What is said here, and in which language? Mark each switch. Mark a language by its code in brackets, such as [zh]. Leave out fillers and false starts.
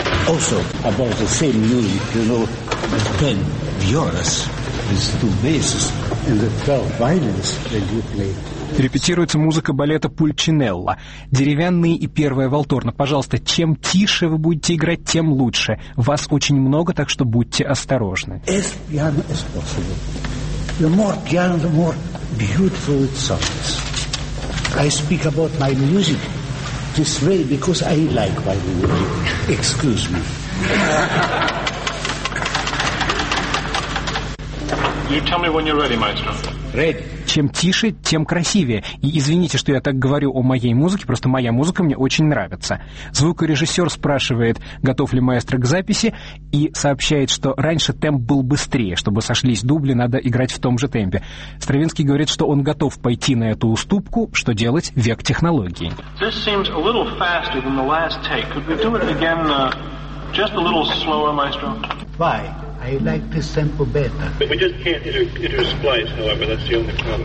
[en] Also, about the same music, you know, the 10 violas with two basses and the 12 violins that you play. [ru] Репетируется музыка балета «Пульчинелла». Деревянные и первая валторна. Пожалуйста, чем тише вы будете играть, тем лучше. Вас очень много, так что будьте осторожны. [en] As piano as possible. The more piano, the more beautiful it sounds. I speak about my music this way because I like my music. Excuse me. You tell me when you're ready, maestro. Ready. [ru] Чем тише, тем красивее. И извините, что я так говорю о моей музыке, просто моя музыка мне очень нравится. Звукорежиссер спрашивает, готов ли маэстро к записи, и сообщает, что раньше темп был быстрее, чтобы сошлись дубли, надо играть в том же темпе. Стравинский говорит, что он готов пойти на эту уступку, что делать век технологий. [en] This seems a little faster than the last take. Could we do it again, just a little slower, maestro? Why? I like this tempo better. But we just can't do splice, however, that's the only problem.